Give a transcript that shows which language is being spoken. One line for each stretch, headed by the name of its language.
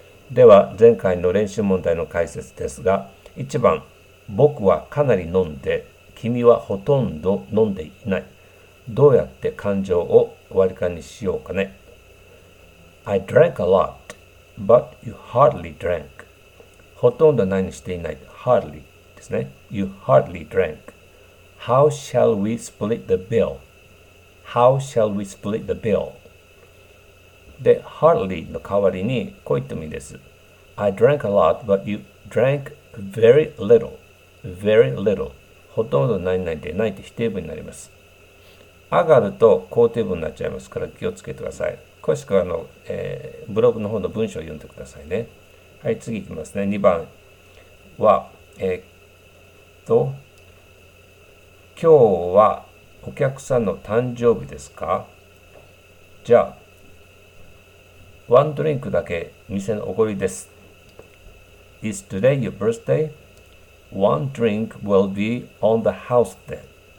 Japanese: では前回の練習問題の解説ですが、1番、僕はかなり飲んで、君はほとんど飲んでいない。どうやって感情を割り勘にしようかね。
English: I drank a lot, but you hardly drank.
Japanese: ほとんど何していない。
English: Hardly
Japanese: ですね。
English: You hardly drank. How shall we split the bill? How shall we split the bill?
Japanese: で、hardly の代わりにこう言ってもいいです。
English: I drank a lot, but you drank very little. Very little.
Japanese: ほとんど何々でないって否定文になります。上がると肯定文になっちゃいますから気をつけてください。詳しくはブログの方の文章を読んでくださいね。はい、次いきますね。 2番は、今日はお客さんの誕生日ですか? じゃあ、ワンドリンクだけ店のおごりです。
English: Is today your birthday? One drink will be on the house then.